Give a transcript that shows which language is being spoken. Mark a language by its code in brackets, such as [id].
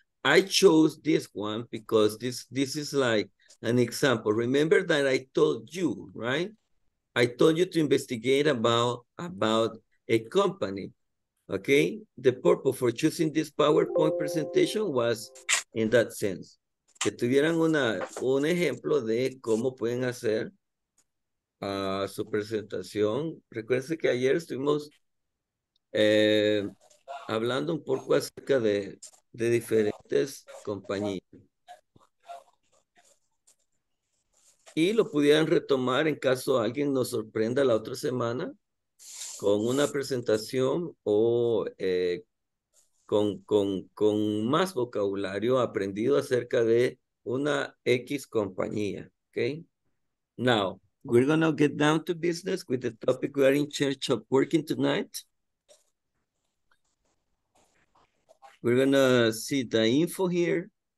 [en] I chose this one because this is like an example. Remember that I told you, right? I told you to investigate about a company, okay? The purpose for choosing this PowerPoint presentation was in that sense. [es] Que tuvieran un ejemplo de cómo pueden hacer su presentación. Recuerden que ayer estuvimos hablando un poco acerca de diferentes compañías. Y lo pudieran retomar en caso alguien nos sorprenda la otra semana con una presentación o con más vocabulario aprendido acerca de una X compañía. [en] Okay. Now, we're going to get down to business with the topic we are in charge of working tonight. We're going to see the info here.